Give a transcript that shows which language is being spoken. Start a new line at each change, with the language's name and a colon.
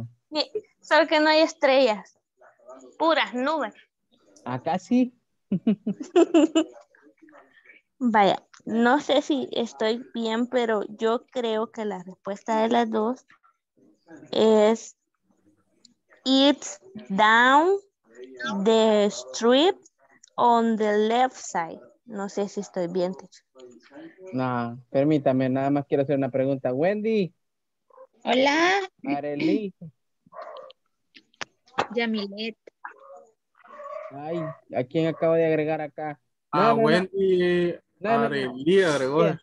Spanish: Y, solo que no hay estrellas, puras nubes. Acá sí. Vaya, no sé si estoy bien, pero yo creo que la respuesta de las dos es.
English: It's down the street on the left side.
Spanish: No sé si estoy bien, teacher. No, permítame, nada más quiero hacer una pregunta. Wendy. Hola. Marely. Yamilet. Ay, ¿a quién acabo de agregar acá? No, Wendy. No. Marely agregó.